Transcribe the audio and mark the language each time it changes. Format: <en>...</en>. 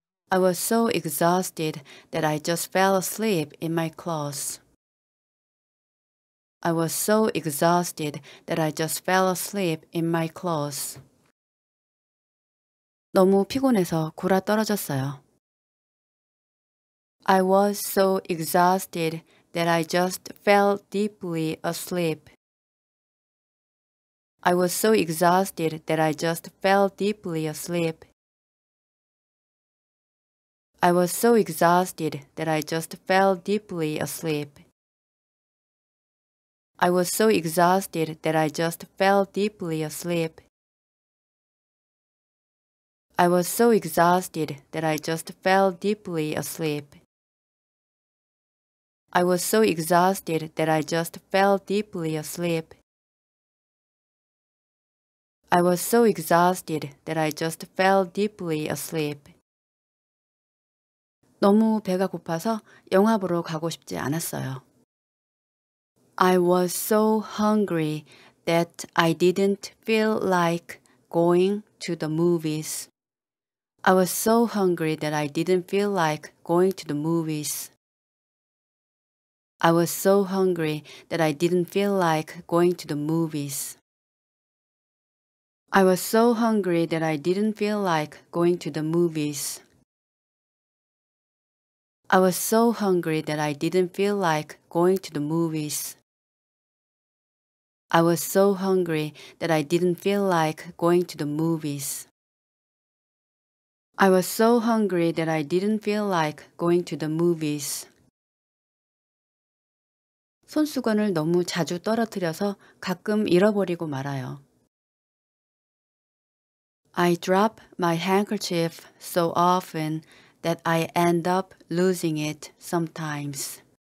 <en>I was so exhausted that I just fell asleep in my clothes. I was so exhausted that I just fell asleep in my clothes.</en> <ko>너무 피곤해서 골아떨어졌어요.</ko> <en>I was so exhausted that I just fell deeply asleep. I was so exhausted that I just fell deeply asleep. I was so exhausted that I just fell deeply asleep. I was so exhausted that I just fell deeply asleep. I was so exhausted that I just fell deeply asleep. I was so exhausted that I just fell deeply asleep. I was so exhausted that I just fell deeply asleep.</en> <ko>너무 배가 고파서 영화 보러 가고 싶지 않았어요.</ko> <en>I was so hungry that I didn't feel like going to the movies. I was so hungry that I didn't feel like going to the movies. I was so hungry that I didn't feel like going to the movies. I was so hungry that I didn't feel like going to the movies. I was so hungry that I didn't feel like going to the movies. I was so hungry that I didn't feel like going to the movies. I was so hungry that I didn't feel like going to the movies.</en> <ko>손수건을 너무 자주 떨어뜨려서 가끔 잃어버리고 말아요.</ko> <en>I drop my handkerchief so often that I end up losing it sometimes.</en>